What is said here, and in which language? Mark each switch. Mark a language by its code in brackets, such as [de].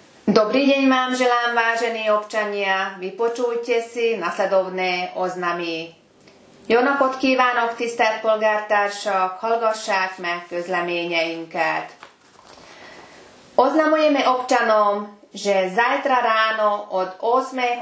[sk] Dobrý deň vám želám, vážení občania. Vypočujte si nasledovné oznamy. [hu] Jóna podkívánok tisztelt polgártársak, hallgassák meg közleményeinket. [sk] Oznamujeme občanom, že zajtra ráno od 8.